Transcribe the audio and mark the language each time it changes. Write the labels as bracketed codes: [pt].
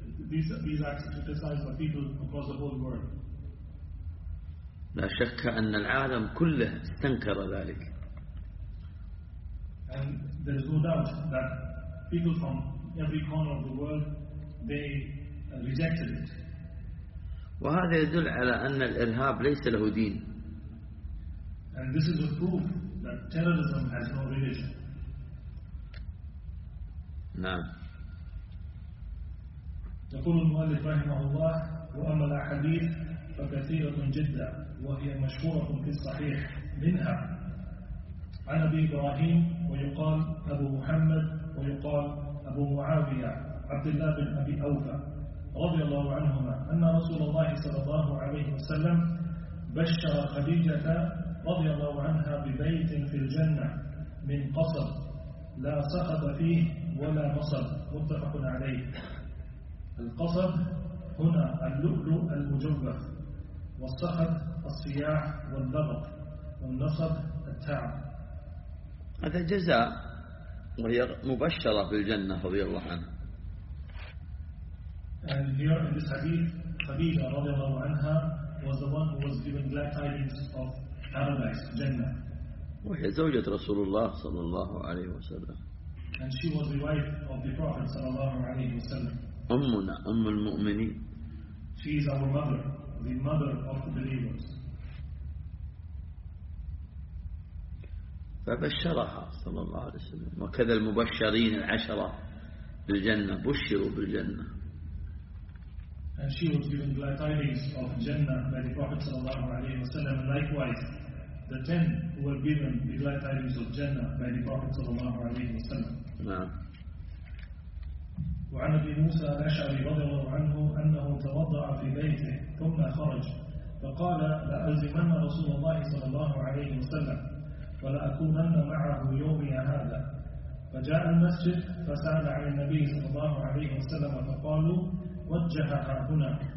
[en] These acts are criticized by people across the whole world. [ar] لا شك أن العالم كله استنكر ذلك. [en] And there is no doubt that people from every corner of the world they rejected it. [ar] وهذا يدل على أن الإرهاب ليس له دين. [en] And this is a proof that terrorism has no religion. [ar] نعم. يقول المؤلف رحمه الله وأما الأحاديث فكثيرة جدا وهي مشهورة في الصحيح. منها عن أبي إبراهيم ويقال أبو محمد ويقال أبو معاوية عبد الله بن أبي أوفى رضي الله عنهما أن رسول الله صلى الله عليه وسلم بشر خديجة رضي الله عنها ببيت في الجنة من قصب لا سقط فيه ولا مصب. متفق عليه. القصب هنا اللؤلؤ المجوف، والسقط الصياح والضغط، والنصب التعب. هذا جزاء وهي مبشرة في الجنة رضي الله عنها. [en] And here in this hadith, Khadija [ar] رضي الله عنها [en] was the one who was given glad tidings of paradise, Jannah. [ar] وهي زوجة رسول الله صلى الله عليه وسلم. [en] And she was the wife of the Prophet [ar] صلى الله عليه وسلم. أمنا أم المؤمنين. [en] She is our mother, the mother of the believers. [ar] فبشرها صلى الله عليه وسلم، وكذا المبشرين العشرة بالجنة بشروا بالجنة. [en] And she was given glad tidings of Jannah by the Prophet [ar] صلى الله عليه وسلم. [en] Likewise, the ten who were given the glad tidings of Jannah by the Prophet [ar] صلى الله عليه وسلم. وعن أبي موسى الأشعري رضي الله عنه أنه توضأ في بيته ثم خرج فقال لألزمن رسول الله صلى الله عليه وسلم ولأكونن معه يومي هذا. فجاء المسجد فسأل عن النبي صلى الله عليه وسلم فقالوا وجهها هنا.